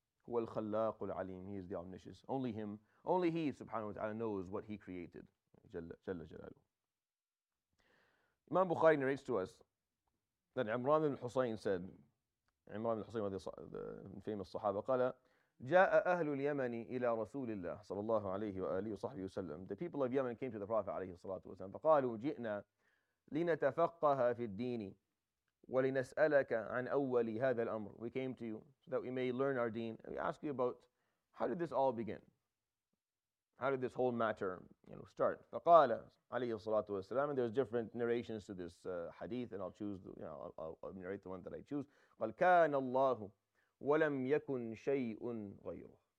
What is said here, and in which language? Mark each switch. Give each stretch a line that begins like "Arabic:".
Arabic: هو الخلاق العليم,
English: he is the omniscient. Only him, only he subhanahu wa ta'ala knows what he created. Jalla jalaluhu. Imam Bukhari narrates to us that Imran al-Husayn said, Imran al-Husayn, the famous sahaba, qala,
Arabic: جَاءَ أَهْلُ الْيَمَنِ إِلَىٰ رَسُولِ اللَّهِ صَلَى اللَّهُ عَلَيْهِ وَآلِهِ وَصَحْبِهِ وَسَلَّمْ.
English: The people of Yemen came to the Prophet
Arabic: عليه الصلاة والسلام, فَقَالُوا جِئْنَا لِنَتَفَقَّهَ فِي الدِّينِ وَلِنَسْأَلَكَ عَنْ أَوَّلِ هَذَا الْأَمْرِ.
English: We came to you so that we may learn our deen. We ask you about, how did this all begin? How did this whole matter, you know, start?
Arabic: فَقَالَ عَلَيْهِ الصَّلَاةُ وَالسَّلَامُ.
English: And there's different narrations to this hadith, and I'll narrate the one that I choose.
Arabic: قَلْ كَانَ اللَّهُ وَلَمْ يَكُنْ شَيْءٌ غَيْرُهُ.